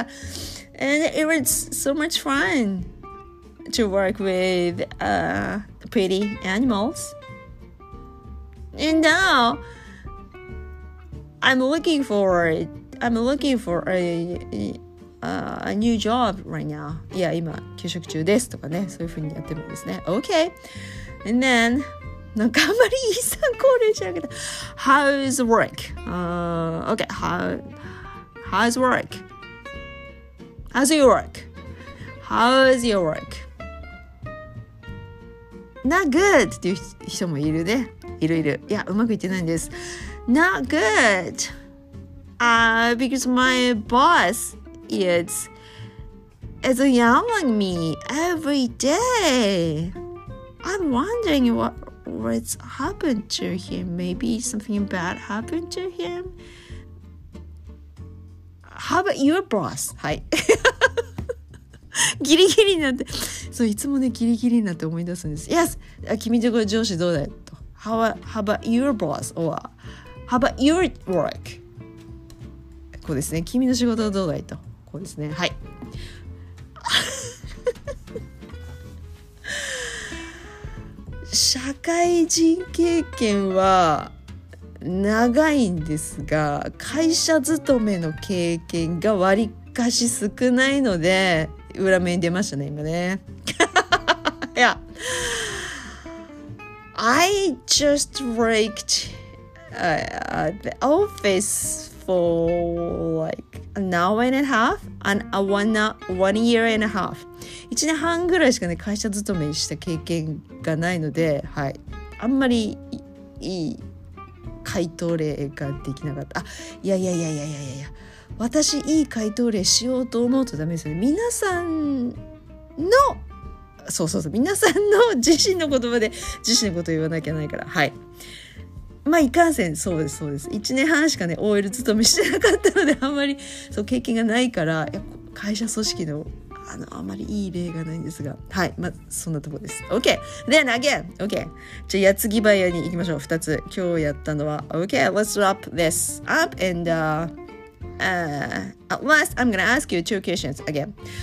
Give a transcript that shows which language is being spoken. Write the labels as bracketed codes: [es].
[en] And it was so much fun to work with pretty animals. And now... I'm looking for a new job right now. [ja] Yeah, 今休職中ですとかね、そういう風にやってるんですね。 [en] Okay. And then, [ja] なんかあんまりいい参考にしなくて。 [en] How's work? How's work? How's your work? How's your work? Not good! [ja] っていう人もいるね。いるいる。いや、うまくいってないんです。 [en] Not good! Because my boss is yelling at me every day. I'm wondering what's happened to him. Maybe something bad happened to him. How about your boss? はい。 [ja] ギリギリになって、そういつもねギリギリになって思い出すんです。 [en] Yes, [ja] 君とこ上司どうだと。 [en] How about your boss? Or how about your work? [ja] こうですね、君の仕事はどうだいと、こうですね、はい。社会人経験は長いんですが、会社勤めの経験がわりかし少ないので、裏目に出ましたね今ね。 [en] いや、 I just worked at the officefor like an hour and a half and one year and a half. [ja] 1年半ぐらいしかね、会社勤めした経験がないので、はい、あんまりいい回答例ができなかった。あ、いや、私いい回答例しようと思うとダメですよね。皆さんの、そう皆さんの自身の言葉で自身のことを言わなきゃないから、はい。まあ、いかんせん、そうです。1年半しかね、OL 勤めしてなかったので、あんまり、そう、経験がないから、会社組織の、あまりいい例がないんですが。はい。まあ、そんなところです。 [en] OK! Then again! OK! [ja] じゃあ、矢継ぎ早に行きましょう。 2つ。今日やったのは。 [en] OK! Let's wrap this up. And, at last, I'm gonna ask you two questions again.